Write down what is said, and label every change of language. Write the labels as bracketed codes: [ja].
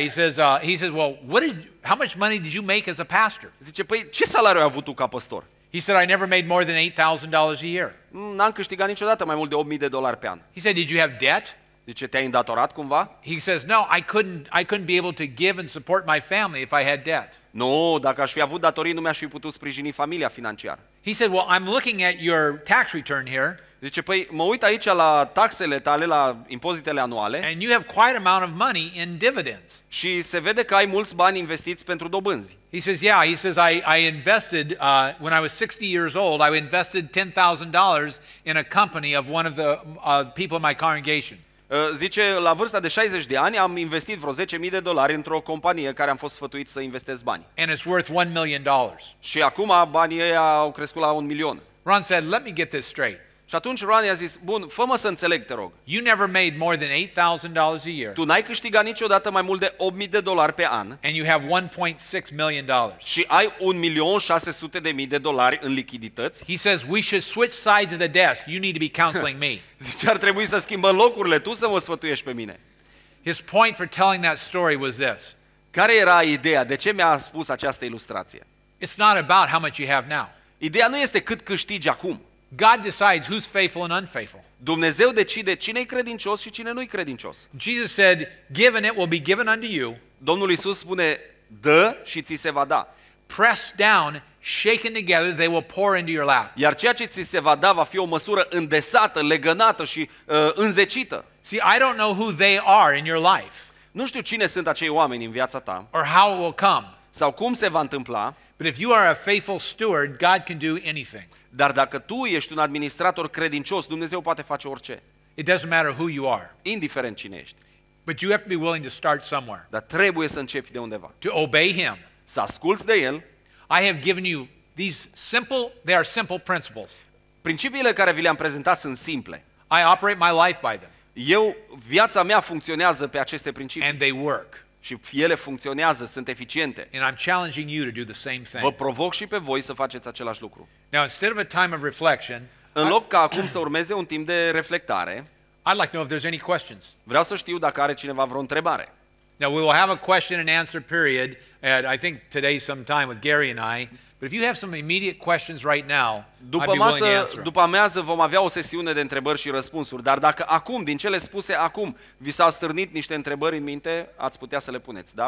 [en] He says, well, how much money did you make as a pastor? [ro] Zice, păi, ce salariu ai avut tu ca pastor? [en] He said, I never made more than $8,000 a year. [ro] N-am câștigat niciodată mai mult de $8,000 pe an. [en] He said, did you have debt? [ro] Zice, te-ai îndatorat cumva? [en] He says, no, I couldn't be able to give and support my family if I had debt. [ro] Nu, dacă aș fi avut datorii, nu mi-aș fi putut sprijini familia financiar. [en] He said, well, I'm looking at your tax return here. [ro] Zice, păi, mă uit aici la taxele tale, la impozitele anuale. [en] And you have quite amount of money in dividends. [ro] Și se vede că ai mulți bani investiți pentru dobânzi. [en] He says, yeah, he says, I invested, when I was 60 years old, I invested $10,000 in a company of one of the people in my congregation. [ro] Zice, la vârsta de 60 de ani am investit vreo $10,000 într-o companie care am fost sfătuit să investesc bani. [en] And it's worth $1,000,000. [ro] Și acum banii ăia au crescut la 1,000,000. [en] Ron said, let me get this straight. [ro] Și atunci Ron i-a zis, bun, fă-mă să înțeleg, te rog. [en] You never made more than $8,000 a year. [ro] Tu n-ai câștigat niciodată mai mult de $8,000 pe an. [en] And you have $1,600,000. [ro] Și ai $1,600,000 în lichidități. [en] He says, we should switch sides of the desk. You need to be counseling me. [ro] Zice, ar trebui să schimbăm locurile, tu să mă sfătuiești pe mine. [en] His point for telling that story was this. [ro] Care era ideea? De ce mi-a spus această ilustrație? [en] It's not about how much you have now. [ro] Ideea nu este cât câștigi acum. [en] God decides who's faithful and unfaithful. [ro] Dumnezeu decide cine e credincios și cine nu e credincios. [en] Jesus said, "Give and it will be given unto you." [ro] Domnul Iisus spune, dă și ți se va da. [en] Pressed down, shaken together, they will pour into your lap. [ro] Iar ceea ce ți se va da va fi o măsură îndesată, legănată și înzecită. [en] See, I don't know who they are in your life. [ro] Nu știu cine sunt acei oameni în viața ta. [en] Or how it will come. [ro] Sau cum se va întâmpla. [en] But if you are a faithful steward, God can do anything. [ro] Dar dacă tu ești un administrator credincios, Dumnezeu poate face orice. [en] It doesn't matter who you are. [ro] Indiferent cine ești. [en] But you have to be willing to start somewhere. [ro] Dar trebuie să începi de undeva. [en] To obey him. [ro] Să asculți de el. [en] I have given you these simple, they are simple principles. [ro] Principiile care vi le-am prezentat sunt simple. [en] I operate my life by them. [ro] Eu, viața mea funcționează pe aceste principii. [en] And they work. [ro] și ele funcționează, sunt eficiente. [en] And I'm challenging you to do the same thing. [ro] Vă provoc și pe voi să faceți același lucru. [en] Now, instead of a time of reflection, [ro] în loc ca acum să urmeze un timp de reflectare, [en] I'd like to know if there's any questions. [ro] Vreau să știu dacă are cineva vreo întrebare. [en] Now we will have a question and answer period at I think today sometime with Gary and I. But if you have some immediate questions right now, [ro] după [en] I'd be willing to answer. [ro] După amiază vom avea o sesiune de întrebări și răspunsuri, dar dacă acum din cele spuse acum vi s-au stârnit niște întrebări în minte, ați putea să le puneți, da?